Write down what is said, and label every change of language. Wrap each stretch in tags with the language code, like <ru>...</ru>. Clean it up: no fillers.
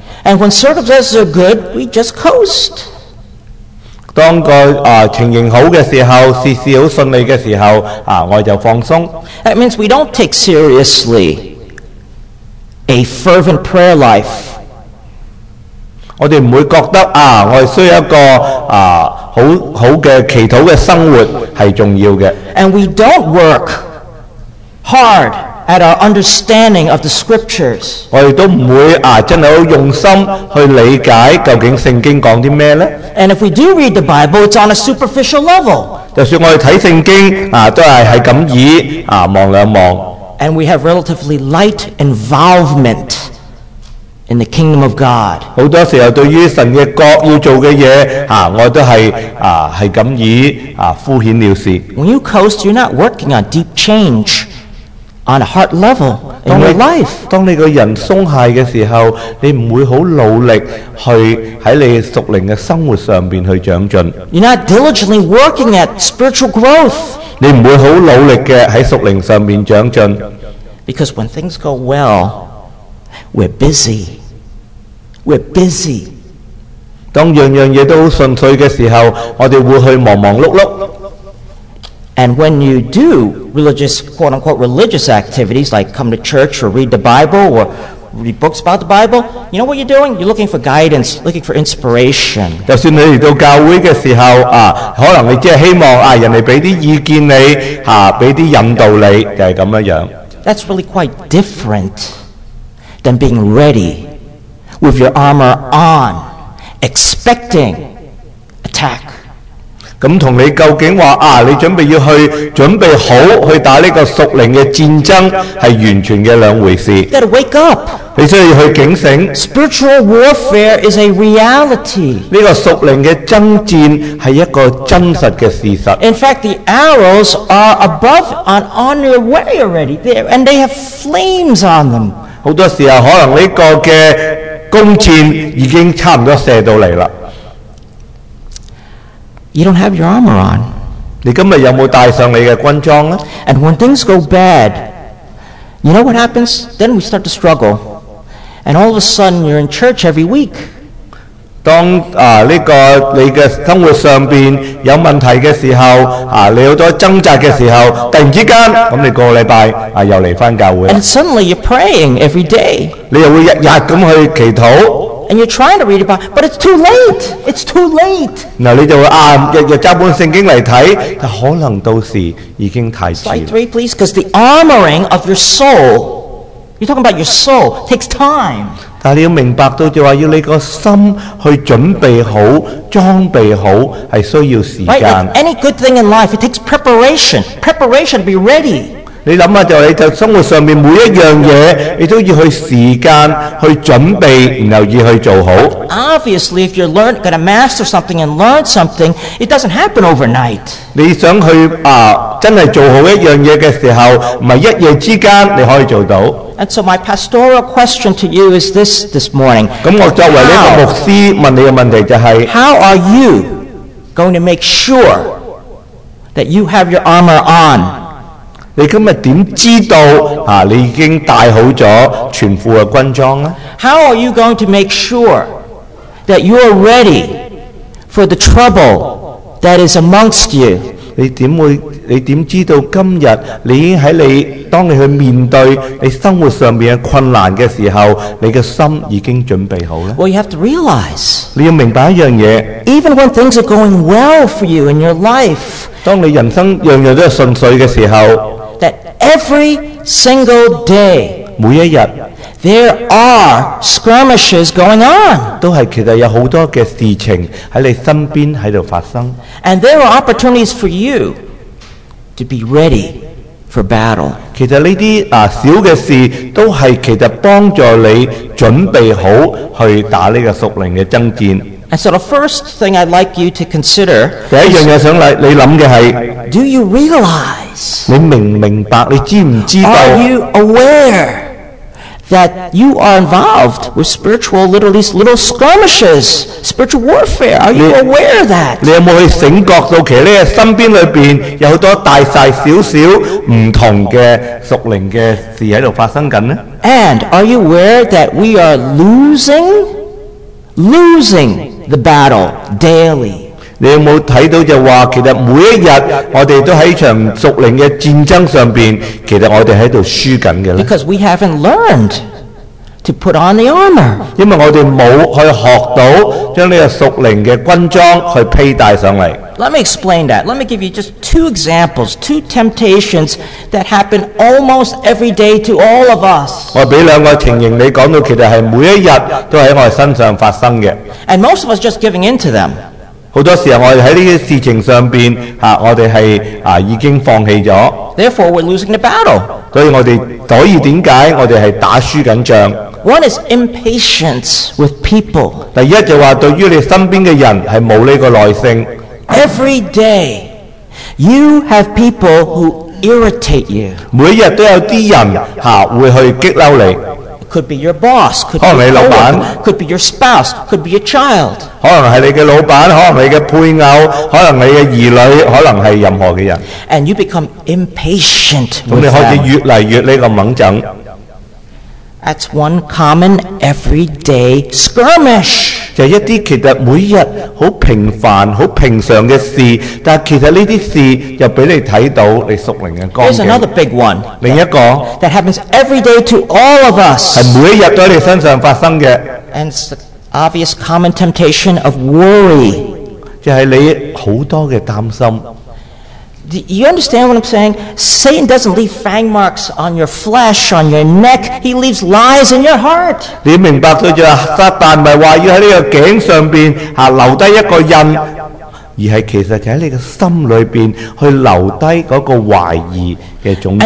<en>And when circumstances are good, we just coast.</en> <yue>当个啊、情形好嘅时候，事事好顺利嘅时候，啊，我就放松。</yue> <en>That means we don't take seriously a fervent prayer life.</en> <yue>我哋唔会觉得啊，我哋需要一个啊。好好嘅祈禱嘅生活係重要嘅。</yue> <en>And we don't work hard at our understanding of the scriptures.</en> <yue>我哋都唔會啊，真係好用心去理解究竟聖經講啲咩咧。</yue> <en>And if we do read the Bible, it's on a superficial level.</en> <yue>就算我哋睇聖經啊，都係咁以啊望兩望。</yue> <en>And we have relatively light involvement. In the kingdom of God,</en> <yue>好多时候对于神嘅国要做嘅嘢，啊，我都系啊系咁以啊敷衍了事。</yue> <en>When you coast, you're not working on deep change on a heart level in your life.</en> <yue>当你个人松懈嘅时候，你唔会好努力去喺你属灵嘅生活上边去长进。</yue> <en>You're not diligently working at spiritual growth.</en> <yue>你唔会好努力嘅喺属灵上边长进。</yue> <en>Because when things go well. We're busy.</en> <yue>当样样嘢都顺遂嘅时候，我哋会去忙忙碌碌。</yue> <en>And when you do religious, quote unquote, religious activities like come to church or read the Bible or read books about the Bible, you know what you're doing? You're looking for guidance, looking for inspiration.</en> <yue>就算你嚟到教会嘅时候啊，可能你只系希望啊，人哋俾啲意见你吓，俾啲引导你，就系咁样样。</yue> <en>That's really quite different. Than being ready with your armor on, expecting attack.</en> <yue>咁同你究竟話啊，你準備要去準備好去打呢個屬靈嘅戰爭，係完全嘅兩回事。</yue> <en>You gotta wake up.</en> <yue>你需要去警醒。</yue> <en>Spiritual warfare is a reality.</en> <yue>呢個屬靈嘅爭戰係一個真實嘅事實。</yue> <en>In fact, the arrows are above and on your way already there, and they have flames on them.</en> <yue>好多時候可能呢個嘅弓箭已經差唔多射到嚟啦。</yue> <en>You don't have your armor on.</en> <yue>你今日有冇戴上你嘅軍裝咧？</yue> <en>And when things go bad, you know what happens? Then we start to struggle, and all of a sudden you're in church every week.</en> <yue>當呢個你嘅生活上邊有問題嘅時候，你有咗掙扎嘅時候，突然之間咁你個禮拜又嚟翻教會。</yue> <en>And suddenly you're praying every day.</en> <yue>你又會日日咁去祈禱。</yue> <en>And you're trying to read it, but it's too late. It's too late.</en> <yue>嗱，你就啊，日日揸本聖經嚟睇，但可能到時已經太遲。</yue> <en>Slide 3, please, because the armoring of your soul, you're talking about your soul, takes time.</en> <yue>但你要明白到就話要你個心去準備好、裝備好，係需要時間。</yue> <en>Right, like any good thing in life, it takes preparation. Preparation to be ready.</en> <yue>你諗下就你就生活上面每一樣嘢，你都要去時間去準備，然後要去做好。</yue> <en>Obviously, if you're learn gonna master something and learn something, it doesn't happen overnight.</en> <yue>你想去真係做好一樣嘢嘅時候，唔係一夜之間你可以做到。</yue> <en>And so my pastoral question to you is this morning.</en> <yue>咁我作為呢個牧師問你嘅問題就係、是、</yue> <en>How are you going to make sure that you have your armor on?</en> <yue>你今日點知道你已經戴好咗全副嘅軍裝咧</yue> <en>？How are you going to make sure that you are ready for the trouble that is amongst you？</en> <yue>你點知道今日你已經喺你當你去面對你生活上面嘅困難嘅時候，你嘅心已經準備好咧</yue> <en>？Well, you have to realize.</en> <yue>你要明白一樣嘢。</yue> <en>Even when things are going well for you in your life，</en> <yue>當你人生樣樣都係順遂嘅時候。</yue> <en>That every single day,</en> <yue>每一日</yue> <en>there are skirmishes going on.</en> <yue>都係其實有好多嘅事情喺你身邊喺度發生</yue> <en>And there are opportunities for you to be ready for battle.</en> <yue>其實呢啲小嘅事都係其實幫助你準備好去打呢個屬靈嘅爭戰</yue> <en>And so the first thing I'd like you to consider.</en> <yue>第一樣嘢想你諗嘅係</yue> <en>Do you realize?</en> <yue>你明唔明白？你知唔知道</yue> <en>？Are you aware that you are involved with spiritual, literally, little skirmishes, spiritual warfare? Are you aware of that？</en> <yue>你有冇去醒覺到其實你身邊裏邊有好多大大小小唔同嘅屬靈嘅事喺度發生緊咧</yue> <en>？And are you aware that we are losing the battle daily？</en> <yue>你有冇睇到就話其實每一日我哋都喺場屬靈嘅戰爭上邊，其實我哋喺度輸緊嘅咧。</yue> <en>Because we haven't learned to put on the armor。</en> <yue>因為我哋冇去學到將呢個屬靈嘅軍裝去披戴上嚟。</yue> <en>Let me explain that. Let me give you just two examples, two temptations that happen almost every day to all of us.</en> <yue>我俾兩個情形你講到，其實係每一日都喺我身上發生嘅。</yue> <en>And most of us just giving into them.</en> <yue>好多時候我哋喺呢啲事情上邊我哋係已經放棄咗。</yue> <en>Therefore, we're losing the battle.</en> <yue>所以點解我哋係打輸緊仗</yue> <en>？One is impatience with people.</en> <yue>第一就話對於你身邊嘅人係冇呢個耐性。</yue> <en>Every day, you have people who irritate you.</en> <yue>每日都有啲人會去激嬲你。</yue> <en>Could be your boss, could be your co-worker, could be your spouse, could be your child.</en> <yue>可能係你嘅老闆，可能你嘅配偶，可能你嘅兒女，可能係任何嘅人。</yue> <en>And you become impatient.</en> <yue>咁你開始越嚟越呢個猛整。</yue> <en>That's one common everyday skirmish.</en> <yue>就一啲其實每日好平凡、好平常嘅事，但其實呢啲事又俾你睇到你屬靈嘅光景。</yue> <en>There's another big one.</en> <yue>另一個</yue> <en>that happens every day to all of us.</en> <yue>係每日都喺你身上發生嘅。</yue> <en>And it's the obvious common temptation of worry.</en> <yue>就係你好多嘅擔心。</yue> <en>Do you understand what I'm saying? Satan doesn't leave fang marks on your flesh, on your neck. He leaves lies in your heart.</en> <yue>你明白到就撒旦咪话要喺呢个颈上边留低一个印。而係其實就喺你嘅心裏邊去留低嗰個懷疑嘅種子。</yue>